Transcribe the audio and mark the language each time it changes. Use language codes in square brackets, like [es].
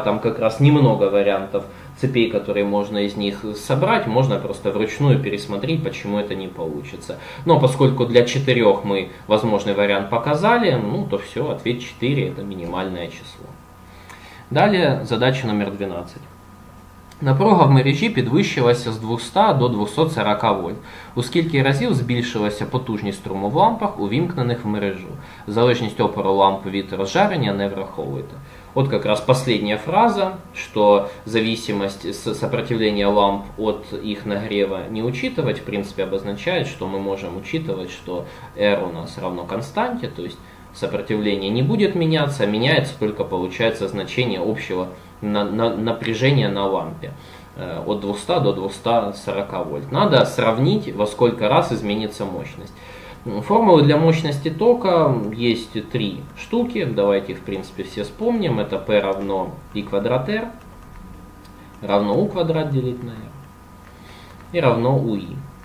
[ru] Там как раз немного вариантов цепей, которые можно из них собрать. Можно просто вручную пересмотреть, почему это не получится. Но поскольку для 4 мы возможный вариант показали, ну то все, ответ 4 это минимальное число. Далее задача номер 12. [uk] Напруга в мережі підвищилася з 200 до 240 вольт. У скільки разів збільшилася потужність струму в лампах, увімкнених в мережу? Залежність опору лампи від розжарення не враховуєте. От якраз остання фраза, що залежність сопротивлення ламп від їх нагріву не учитувати, в принципі, обозначає, що ми можемо учитувати, що R у нас равно константі, тобто сопротивлення не буде змінятися, а змінюється тільки, виходить, значення общого [ru] напряжение на лампе от 200 до 240 вольт. Надо сравнить, во сколько раз изменится мощность. Формулы для мощности тока есть 3 штуки. Давайте их, в принципе, все вспомним. Это P равно I квадрат R, равно U квадрат делить на R и равно UI.